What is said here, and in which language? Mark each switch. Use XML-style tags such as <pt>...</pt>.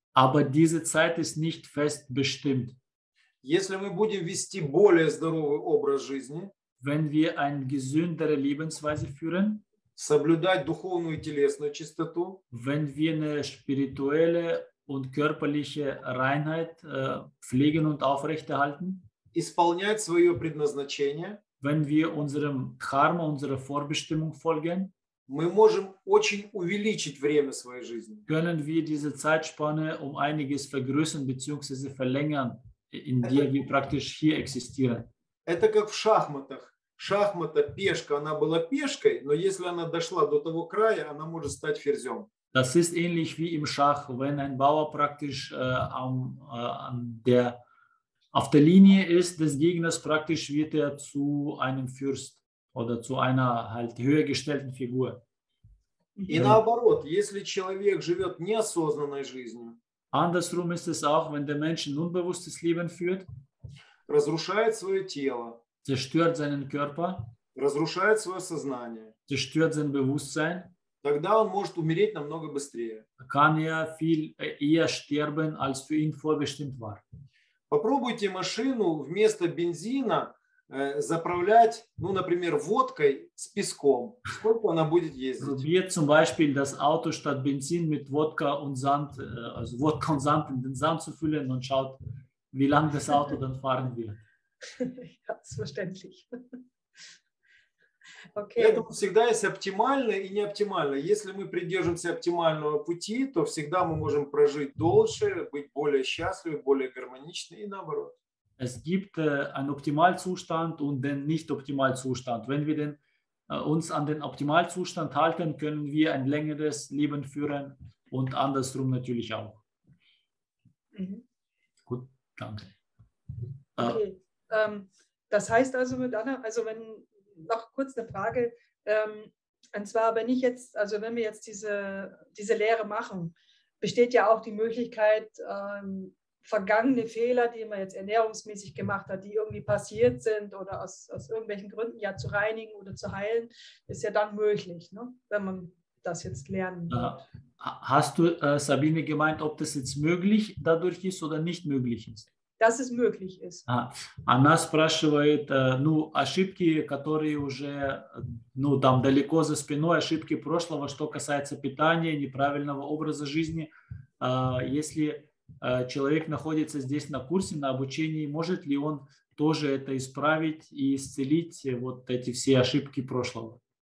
<de>Aber diese Zeit ist nicht fest bestimmt.</de> <ru>Если мы будем вести более здоровый образ жизни,</ru> <de>wenn wir eine gesündere Lebensweise führen,</de> <ru>соблюдать духовную и телесную чистоту,</ru> <de>wenn wir eine spirituelle und körperliche Reinheit pflegen und aufrechterhalten,</de> <ru>исполнять свое предназначение,</ru> <de>wenn wir unserem Dharma, unserer Vorbestimmung folgen,</de> <ru>мы можем очень увеличить время своей жизни.</ru> <de>Können wir diese Zeitspanne um einiges vergrößern bzw. verlängern, in der wir praktisch hier existieren.</de> <ru>Это как в шахматах. Шахмата, пешка, она была пешкой, но если она дошла до того края, она может стать ферзем.</ru> <de>Das ist ähnlich wie im Schach, wenn ein Bauer praktisch auf der Linie ist des Gegners, praktisch wird er zu einem Fürst oder zu einer halt höher gestellten Figur.</de> <ru>И наоборот, если человек живет неосознанной жизнью,</ru> <de>andersrum ist es auch, wenn der Mensch ein unbewusstes Leben führt,</de> <ru>разрушает свое тело,</ru> <de>zerstört seinen Körper,</de> <ru>разрушает свое сознание,</ru> <de>zerstört sein Bewusstsein,</de> <ru>тогда он может умереть намного быстрее.</ru> <de>Kann er viel eher sterben, als für ihn vorbestimmt war.</de> <ru>Попробуйте машину вместо бензина заправлять, ну, например, водкой с песком. Сколько она будет ездить?</ru> <de>Probier zum Beispiel das Auto statt Benzin mit Wodka und Sand, also Wodka und Sand in den Sand zu füllen und schaut, wie lange das Auto dann fahren wird. Ja, ist verständlich. Okay.</de> <ru>Поэтому всегда есть оптимальное и неоптимальное. Если мы придерживаемся оптимального пути, то всегда мы можем прожить дольше, быть более счастливы, более гармоничны и наоборот.</ru> <de>Es gibt einen Optimalzustand und den Nicht-Optimalzustand. Wenn wir uns an den Optimalzustand halten, können wir ein längeres Leben führen und andersrum natürlich auch. Mhm. Gut, danke. Okay, das heißt also, mit Anna, also wenn noch kurz eine Frage, und zwar, wenn ich jetzt, also wenn wir jetzt diese Lehre machen, besteht ja auch die Möglichkeit, vergangene Fehler, die man jetzt ernährungsmäßig gemacht hat, die irgendwie passiert sind oder aus irgendwelchen Gründen ja zu reinigen oder zu heilen, ist ja dann möglich, ne? Wenn man das jetzt lernen wird. Hast du, Sabine, gemeint, ob das jetzt möglich dadurch ist oder nicht möglich ist? Dass es möglich ist.</de> <ru>Она спрашивает, ну, ошибки, которые уже, ну, там, далеко за спиной, ошибки прошлого, что касается питания, неправильного образа жизни, если человек находится здесь на курсе, на обучении, может ли он тоже это исправить и исцелить вот эти все ошибки прошлого?</ru>